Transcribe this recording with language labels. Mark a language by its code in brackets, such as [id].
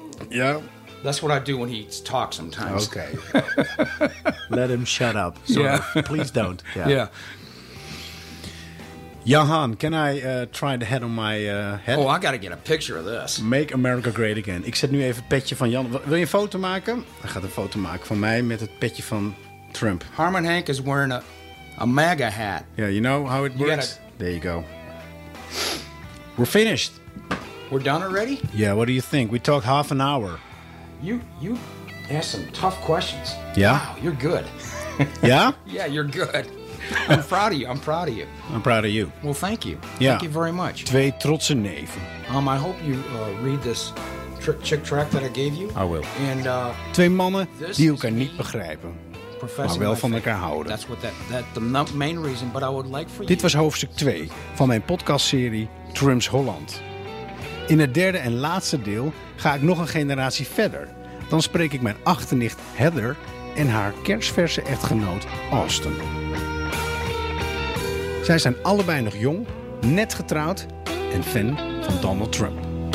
[en] Yeah. That's what I do when he talks sometimes. Okay. Let him shut up. Please don't. Yeah. Johan, can I try the head on my head? Oh, I got to get a picture of this. Make America great again. [nl] Ik zet nu even het petje van Jan. Wil je een foto maken? Hij gaat een foto maken van mij met het petje van Trump. [en] Harmon Hank is wearing a MAGA hat. Yeah, you know how it works? There you go. We're finished. We're done already? Yeah, what do you think? We talked half an hour. You ask some tough questions. Yeah? Wow, you're good. Yeah? Yeah, you're good. I'm proud of you. I'm proud of you. I'm proud of you. Well, thank you. Yeah. Thank you very much. [nl] Twee trotse neven. [en] I hope you read this chick track that I gave you. I will. And [nl] twee mannen die elkaar niet begrijpen, maar wel van elkaar houden. [en] That's what that the main reason, but I would like for you. [nl] Dit was hoofdstuk 2 van mijn podcastserie Trump's Holland. In het derde en laatste deel ga ik nog een generatie verder. Dan spreek ik mijn achternicht Heather en haar kersverse echtgenoot Austin. Zij zijn allebei nog jong, net getrouwd en fan van Donald Trump.